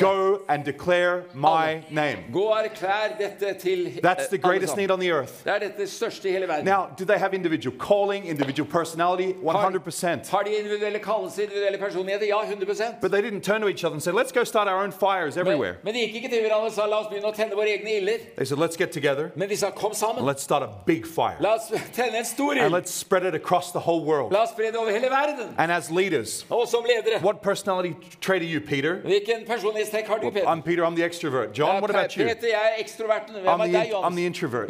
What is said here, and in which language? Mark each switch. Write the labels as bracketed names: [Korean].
[English] Go and declare my alle. Name. [Norwegian] Gå og erklær dette til, [English] that's the greatest need on the earth. [Norwegian] Det er dette største I hele verden. [English] Now, do they have individual calling, individual personality? 100%. [Norwegian] Har de individuelle kallelser, individuelle personligheter? Ja, 100%. [English] But they didn't turn to each other and say, let's go start our own fires everywhere. [Norwegian] Men de gikk ikke til hverandre og sa, la oss begynne å tenne våre egne iller. [English] They said, let's get together. [Norwegian] Men de sa, kom sammen. [English] Let's start a big fire. [Norwegian] La oss tenne en stor ild. [English] And let's spread it across the whole world. [Norwegian] La oss spre det over hele verden. [English] And as leaders, [Norwegian] og som ledere, [English] what personality trait are you, Peter? [Norwegian] Hvilken person introvert. Well, [English] I'm Peter, I'm the extrovert. John, what about you? I'm the introvert.